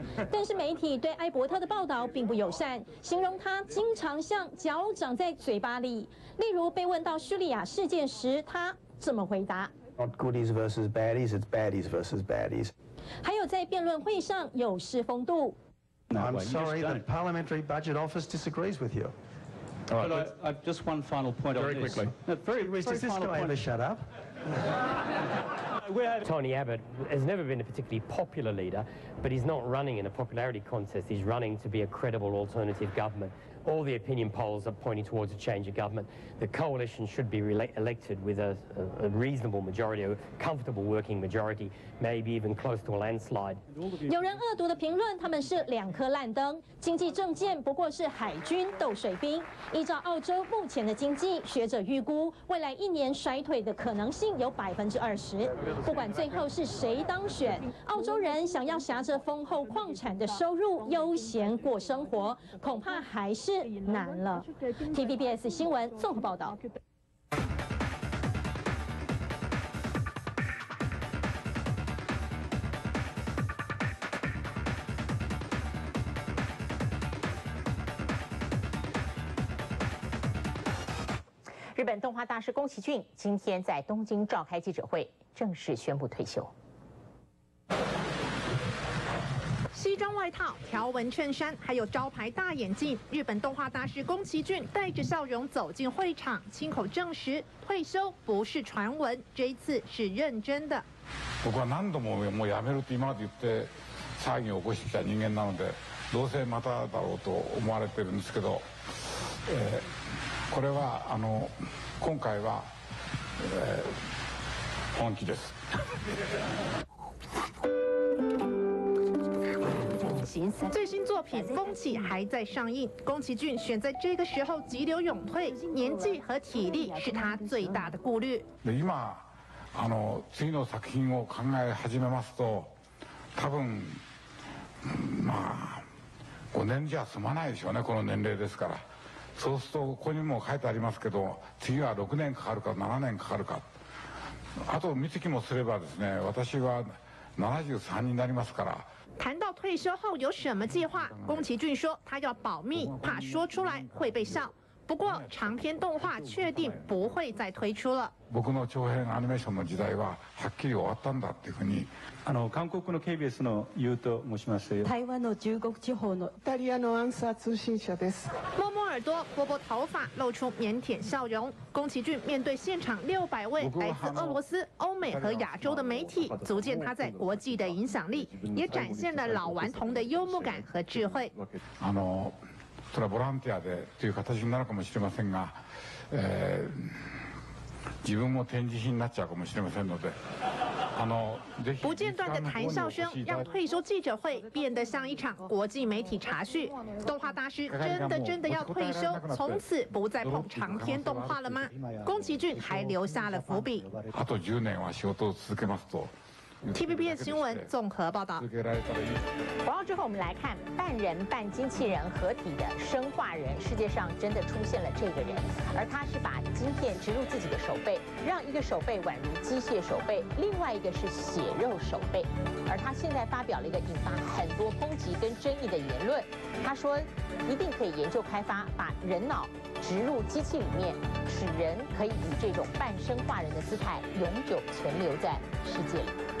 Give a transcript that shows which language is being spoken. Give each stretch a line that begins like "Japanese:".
Chinese: 但是媒体对艾伯特的报道并不友善，形容他经常像脚长在嘴巴里。例如被问到叙利亚事件时，他这么回答
English: ：Not goodies versus baddies, it's baddies versus baddies。
Chinese: 还有在辩论会上有失风度。
English: No, I'm sorry, the Parliamentary Budget Office disagrees with you. All right, but I've just one final point very on this. Quickly. No, very does this guy point. Ever shut up? Tony Abbott has never been a particularly popular leader, but he's not running in a popularity contest. He's running to be a credible alternative government. All the opinion polls are pointing towards a change of government. The coalition should be elected with a reasonable majority, a comfortable working majority, maybe even close to a landslide.
Chinese: 有人恶毒的评论，他们是两颗烂灯，经济政见不过是海军斗水兵。依照澳洲目前的经济，学者预估未来1年衰退的可能性有20%。不管最后是谁当选，澳洲人想要挟着丰厚矿产的收入悠闲过生活，恐怕还是难了。 TVBS 新闻综合报道。日本动画大师宫崎骏今天在东京召开记者会，正式宣布退休。西装外套、条纹衬衫，还有招牌大眼镜，日本动画大师宫崎骏带着笑容走进会场，亲口证实退休不是传闻，这一次是认真的。
Japanese: 僕は何度ももうやめると今まで言って騒ぎを起こしてきた人間なので、どうせまただろうと思われてるんですけど、これは今回は。本気です。
Chinese: 最新作品《风起》还在上映，宫崎骏选在这个时候急流勇退，年纪和体力是他最大的顾虑。
Japanese: 今次の作品を考え始めますと、多分まあ5年じゃ済まないでしょうね。この年齢ですから、そうするとここにも書いてありますけど、次は6年かかるか7年かかるか。あと三月もすればですね、私は73になりますから。
Chinese: 谈到退休后有什么计划，宫崎骏说他要保密，怕说出来会被笑。不过长篇动画确定不会再推出了。
Japanese: 僕の長編アニメーションの時代ははっきり終わったんだっていうふうに。韓国の KBS のユウと申します。台湾の中国地方のイタリアのアンサー通信社です。
Chinese: 摸摸耳朵，拨拨头发，露出腼腆笑容。宫崎骏面对现场600位来自俄罗斯、欧美和亚洲的媒体，足见他在国际的影响力，也展现了老顽童的幽默感和智慧。
Japanese: それはボランティアでという形になるかもしれませんが、自分も展示品になっちゃうかもしれませんので、ぜひ
Chinese: 不间断的谈笑声让退休记者会变得像一场国际媒体茶叙。动画大师真的要退休，从此不再碰长篇动画了吗？宫崎骏还留下了伏笔。
Japanese: あと10年は仕事を続けますと。
Chinese: TVBS 新闻综合报道。广告之后，我们来看半人半机器人合体的生化人。世界上真的出现了这个人，而他是把晶片植入自己的手背，让一个手背宛如机械手背，另外一个是血肉手背。而他现在发表了一个引发很多抨击跟争议的言论，他说一定可以研究开发把人脑植入机器里面，使人可以以这种半生化人的姿态永久存留在世界里。